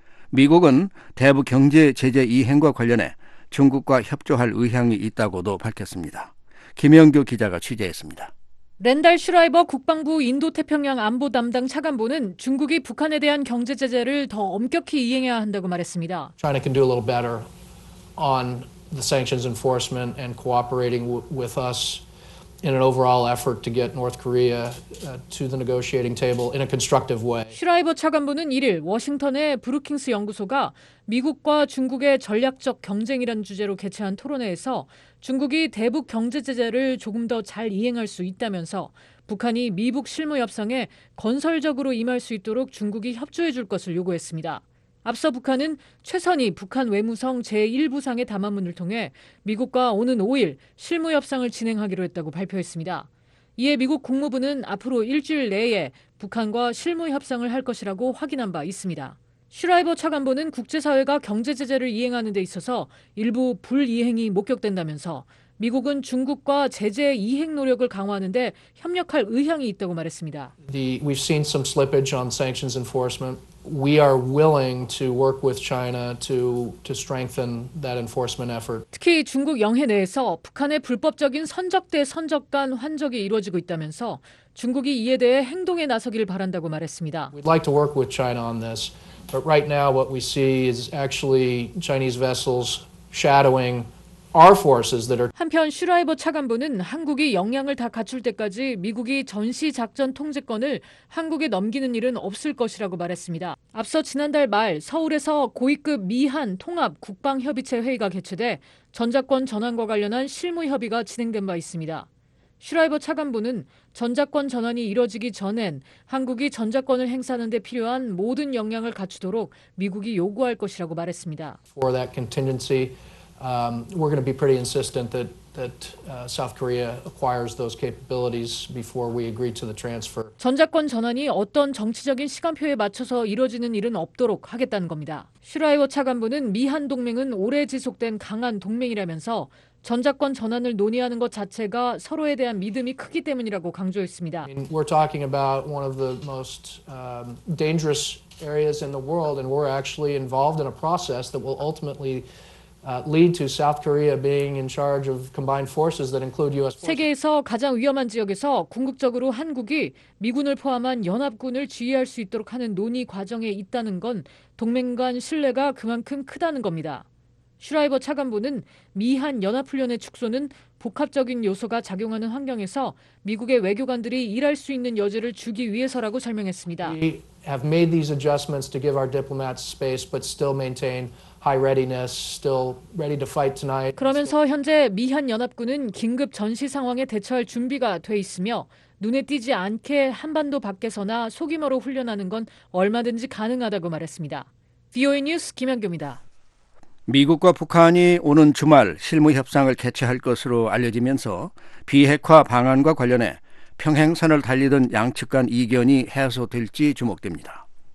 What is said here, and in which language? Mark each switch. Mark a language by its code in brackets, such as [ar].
[ko] 미국은 대북 경제 제재 이행과 관련해 중국과 협조할 의향이 있다고도 밝혔습니다. 김영규 기자가 취재했습니다. 랜달 슈라이버 국방부 인도태평양 안보 담당 차관보는 중국이 북한에 대한 경제 제재를 더 엄격히 이행해야 한다고 말했습니다. [en] China can do a little better on the sanctions enforcement and cooperating with us in an overall effort to get North Korea to the negotiating table in a constructive way. [ko] 슈라이버 차관보는 1일 워싱턴의 브루킹스 연구소가 미국과 중국의 전략적 경쟁이란 주제로 개최한 토론회에서 중국이 대북 경제 제재를 조금 더잘 이행할 수 있다면서 북한이 미북 실무 협상에 건설적으로 임할 수 있도록 중국이 협조해 줄 것을 요구했습니다. 앞서 북한은 최선희 북한 외무성 제1부상의 담화문을 통해 미국과 오는 5일 실무 협상을 진행하기로 했다고 발표했습니다. 이에 미국 국무부는 앞으로 일주일 내에 북한과 실무 협상을 할 것이라고 확인한 바 있습니다. 슈라이버 차관보는 국제사회가 경제 제재를 이행하는 데 있어서 일부 불이행이 목격된다면서 미국은 중국과 제재 이행 노력을 강화하는데 협력할 의향이 있다고 말했습니다. [en] We've seen some slippage on sanctions enforcement. We are willing to work with China to strengthen that enforcement effort. [ko] 특히 중국 영해 내에서 북한의 불법적인 선적 대 선적 간 환적이 이루어지고 있다면서 중국이 이에 대해 행동에 나서길 바란다고 말했습니다. [en] We'd like to work with China on this, but right now what we see is actually Chinese vessels shadowing our forces that are [ko] 한편 슈라이버 차관보는 한국이 역량을 다 갖출 때까지 미국이 전시 작전 통제권을 한국에 넘기는 일은 없을 것이라고 말했습니다. 앞서 지난달 말 서울에서 고위급 미한 통합 국방협의체 회의가 개최돼 전작권 전환과 관련한 실무 협의가 진행된 바 있습니다. 슈라이버 차관보는 전작권 전환이 이뤄지기 전엔 한국이 전작권을 행사하는 데 필요한 모든 역량을 갖추도록 미국이 요구할 것이라고 말했습니다. [en] For that contingency. We're going to be pretty insistent that South Korea acquires those capabilities before we agree to the transfer. [ko] 전작권 전환이 어떤 정치적인 시간표에 맞춰서 이루어지는 일은 없도록 하겠다는 겁니다. 슈라이워 차관부는 미한 동맹은 오래 지속된 강한 동맹이라면서 전작권 전환을 논의하는 것 자체가 서로에 대한 믿음이 크기 때문이라고 강조했습니다. [en] We're talking about one of the most dangerous areas in the world, and we're actually involved in a process that will ultimately lead to South Korea being in charge of combined forces that include U.S. [ko] 세계에서 가장 위험한 지역에서 궁극적으로 한국이 미군을 포함한 연합군을 지휘할 수 있도록 하는 논의 과정에 있다는 건 동맹 간 신뢰가 그만큼 크다는 겁니다. 슈라이버 차관부는 미한 연합훈련의 축소는 복합적인 요소가 작용하는 환경에서 미국의 외교관들이 일할 수 있는 여지를 주기 위해서라고 설명했습니다. [en] We have made these adjustments to give our diplomats space but still maintain high readiness, still ready to fight tonight. [ko] 그러면서 현재 미한 연합군은 긴급 전시 상황에 대처할 준비가 돼 있으며 눈에 띄지 않게 한반도 밖에서나 소규모로 훈련하는 건 얼마든지 가능하다고 말했습니다. VOA 뉴스 김현규입니다. 미국과 북한이 오는 주말 실무 협상을 개최할 것으로 알려지면서 비핵화 방안과 관련해 평행선을 달리던 양측 간 이견이 해소될지 주목됩니다.